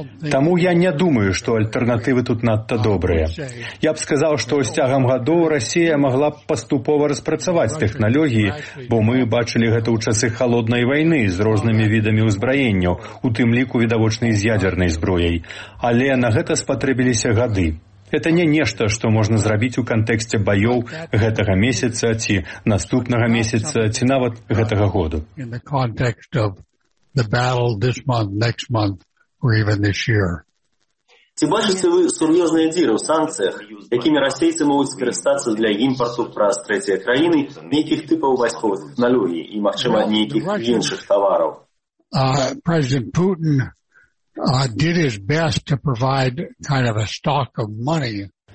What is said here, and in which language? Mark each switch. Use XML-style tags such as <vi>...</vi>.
<be>Таму я не думаю, што альтэрнатывы тут надта добрыя. Я б сказаў, што з цягам гадоў Расія магла б паступова распрацаваць тэхналогіі, бо мы бачылі гэта ў часы халоднай вайны з рознымі відамі ўзбраенняў, у тым ліку відавочнай з ядзернай зброяй. Але на гэта спатрэбіліся гады. Это не нешта, што можна зрабіць у кантэксце баёў гэтага месяца ці наступнага месяца ці нават гэтага году.</be> <en>In the context of the battle this month, next month or even this year.</en> <be>Ці бачыце ви сур'ёзныя дзіры ў санкцыях, якімі расейцы могуць скарыстацца для імпарту праз трэція краіны нейкіх тыпаў вайсковых тэхналогій і, магчыма, нейкіх іншых тавараў?</be> <en>President Putin did his best to provide kind of a stock of money.</en>